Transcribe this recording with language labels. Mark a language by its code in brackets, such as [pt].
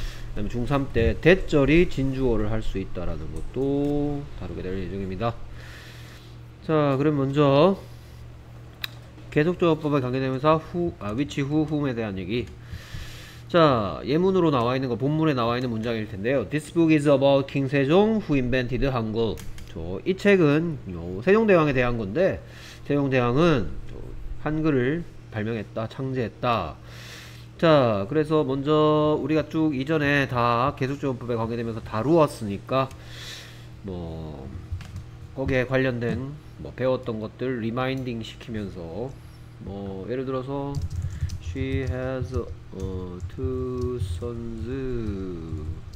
[ko] 그다음에 중3 때 that절이 진주어를 할 수 있다라는 것도 다루게 될 예정입니다. 자, 그럼 먼저 계속적법에 관계되면서 which, who, whom에 대한 얘기. 자, 예문으로 나와 있는 거, 본문에 나와 있는 문장일 텐데요. [en] This book is about King Sejong who invented Hangul. [ko] 이 책은 요 세종대왕에 대한 건데, 세종대왕은 한글을 발명했다, 창제했다. 자, 그래서 먼저 우리가 쭉 이전에 다 계속적용법에 관계되면서 다루었으니까, 뭐, 거기에 관련된 뭐 배웠던 것들 리마인딩 시키면서, 뭐, 예를 들어서, [en] She has two sons.